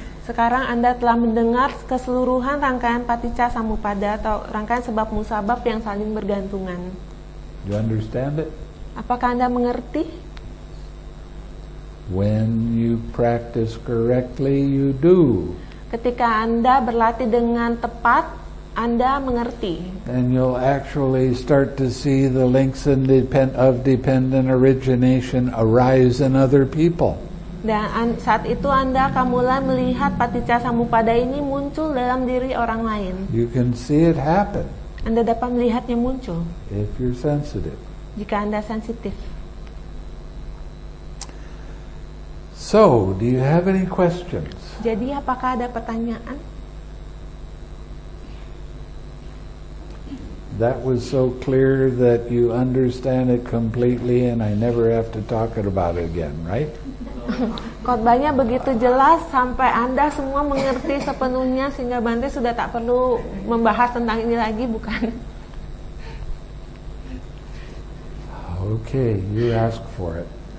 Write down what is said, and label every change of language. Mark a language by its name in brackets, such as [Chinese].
[Indonesian] Sekarang Anda telah mendengar keseluruhan rangkaian paticca samuppada atau rangkaian sebab musabab yang saling bergantungan. [English] You understand it? [Indonesian] Apakah Anda mengerti? [English] When you practice correctly, you do. [Indonesian] Ketika Anda berlatih dengan tepat, Anda mengerti. [English] And you'll actually start to see the links in dependent origination arise in other people. [Indonesian] Dan saat itu Anda akan mulai melihat paticca samuppada ini muncul dalam diri orang lain. [English] You can see it happen. [Indonesian] Anda dapat melihatnya muncul. [English] If you're sensitive. [Indonesian] Jika Anda sensitif. [English] So, do you have any questions? [Indonesian] Jadi apakah ada pertanyaan? [English] That was so clear that you understand it completely and I never have to talk about it again, right? [Indonesian] Khotbahnya begitu jelas sampai Anda semua mengerti sepenuhnya sehingga Bante sudah tak perlu membahas tentang ini lagi, bukan? [English] Okay, you ask for it.